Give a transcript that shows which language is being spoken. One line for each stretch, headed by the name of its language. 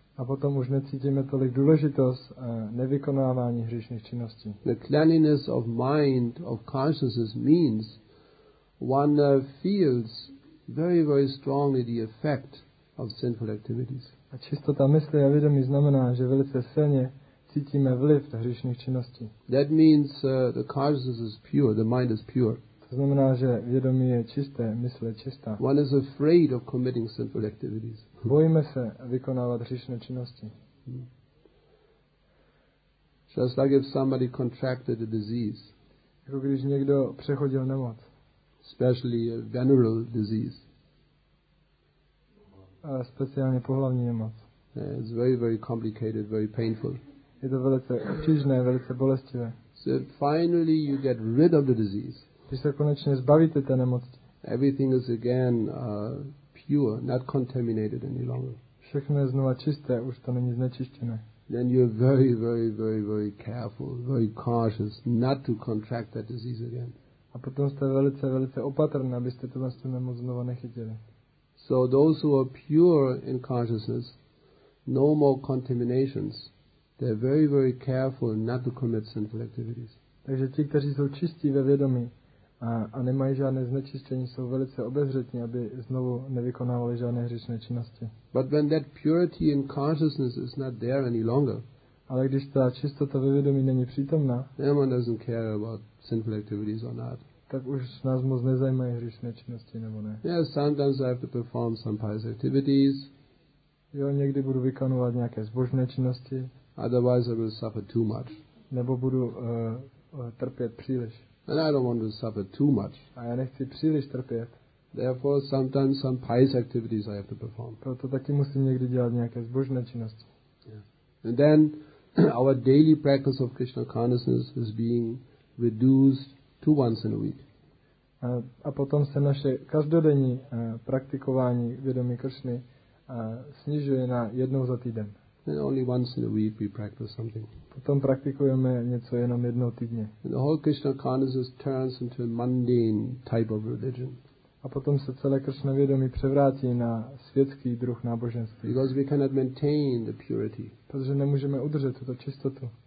Czech: A potom už necítíme tolik důležitost nevykonávání hříšných činností.
English: The cleanliness of mind, of consciousness means one feels very, very strongly the effect of sinful activities.
Czech: A čistota mysli a vědomí znamená, že velice silně cítíme vliv hříšných činností.
English: That means the consciousness is pure, the mind is pure.
Czech: To znamená, že vědomí je čisté, mysl je čistá.
English: One is afraid of committing sinful activities.
Czech: Bojíme se vykonávat hříšné činnosti.
English: Just like if somebody contracted a disease.
Czech: Jako když někdo přechodil nemoc.
English: Especially a venereal disease.
Czech: A speciálně pohlavní nemoc.
English: Yeah, it's very, very complicated, very painful.
Czech: Je to velice obtížné, velice bolestivé.
English: So finally you get rid of the disease.
Czech: Když se konečně zbavíte té nemoci.
English: Everything is again pure, not contaminated any longer.
Czech: Všechno je znova čisté, už to není znečištěné.
English: Then you're very, very, very, very careful, very cautious not to contract that disease again.
Czech: A potom jste velice, velice opatrné, abyste tu vlastně nemoc znova nechytili.
English: So those who are pure in consciousness, no more contaminations, they're very, very careful not to commit sinful activities.
Czech: Takže ti, kteří jsou čistí ve vědomí a nemají žádné znečištění, jsou velice obezřetní, aby znovu nevykonávali žádné hříšné činnosti.
English: But when that purity in consciousness is not there any longer,
Czech: ale když ta čistota ve vědomí není přítomná,
English: then one doesn't care about sinful activities or not.
Czech: Tak už nás moc nezajímají hříšné činnosti nebo ne.
English: Yes, sometimes I have to perform some pious activities.
Czech: Jo, někdy budu vykonovat nějaké zbožné činnosti.
English: Otherwise I will suffer too much.
Czech: Nebo budu trpět příliš.
English: And I don't want to suffer too much.
Czech: A já nechci příliš trpět.
English: Therefore, sometimes some pious activities I have to perform.
Czech: Proto taky musím někdy dělat nějaké zbožné činnosti.
English: And then our daily practice of Krishna consciousness is being reduced to once in a week.
Czech: A potom se naše každodenní praktikování vědomí Kršny snižuje na jednou za týden.
English: And only once in a week we practice something.
Czech: Potom praktikujeme něco jenom jednou týdně.
English: And the whole Krishna consciousness turns into a mundane type of religion.
Czech: A potom se celé Kršna vědomí převrátí na světský druh náboženství.
English: Because we cannot maintain the purity.
Czech: Protože nemůžeme udržet tuto čistotu.